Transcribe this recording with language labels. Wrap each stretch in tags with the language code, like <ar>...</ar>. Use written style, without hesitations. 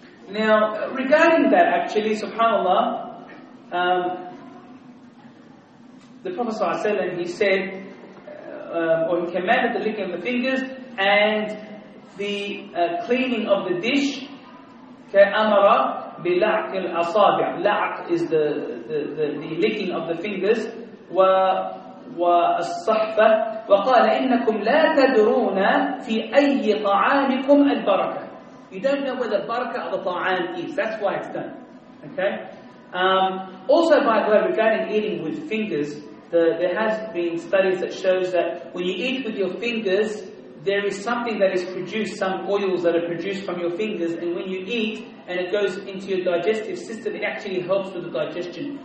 <en>Now, regarding that, actually, subhanAllah, the Prophet sallallahu alaihi wasallam, he said, or he commanded the licking of the fingers and the cleaning of the dish. Okay,</en> <ar>amara بلعق الأصابع.</ar> <en>لعق is the licking of the fingers.</en> <ar>والصحفة. وقال إنكم لا تدرون في أي طعامكم البركة.</ar> <en>You don't know whether baraka or the ta'an is. That's why it's done. Okay. Also, by the way, regarding eating with fingers, there has been studies that shows that when you eat with your fingers, there is something that is produced, some oils that are produced from your fingers, and when you eat and it goes into your digestive system, it actually helps with the digestion.</en>